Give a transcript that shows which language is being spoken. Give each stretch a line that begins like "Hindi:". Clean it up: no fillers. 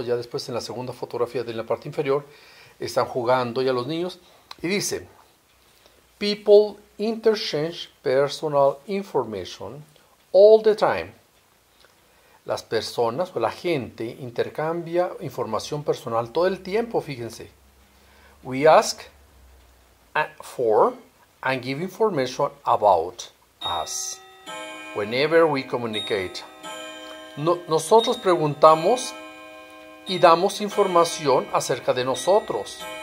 Spanish: Ya después, en la segunda fotografía de la parte inferior, están jugando ya los niños. Y dice.
English: People interchange personal information all the time.
Spanish: Las personas o la gente intercambia información personal todo el tiempo, fíjense.
English: We ask for and give information about us whenever we communicate.
Spanish: No, nosotros preguntamos y damos información acerca de nosotros.